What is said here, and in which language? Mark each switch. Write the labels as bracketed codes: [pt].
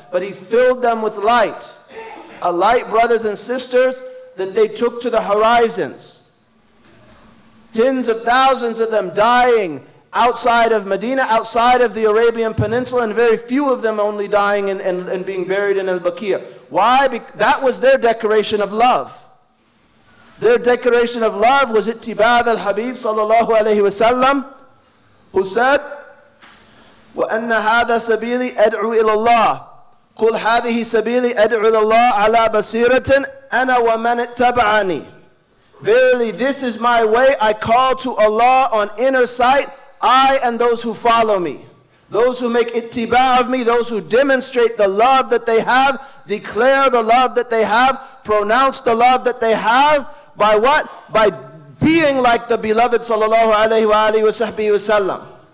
[en] But he filled them with light. A light, brothers and sisters, that they took to the horizons. Tens of thousands of them dying outside of Medina, outside of the Arabian Peninsula, and very few of them only dying and being buried in Al-Baqiyah. Why? Because that was their decoration of love. Their decoration of love was ittiba' al-Habib sallallahu alayhi wa sallam, who said, [ar] وَأَنَّ هَذَا سَبِيلِي أَدْعُوا إِلَى اللَّهِ قُلْ هَذِهِ سَبِيلِي أَدْعُوا إِلَى اللَّهِ عَلَى بَصِيرَةٍ أَنَا وَمَنِ اتَّبَعَنِي. [en] Verily, this is my way. I call to Allah on inner sight, I and those who follow me. Those who make ittiba of me, those who demonstrate the love that they have, declare the love that they have, pronounce the love that they have, by what? By being like the beloved sallallahu alayhi wa sahbihi wa sallam.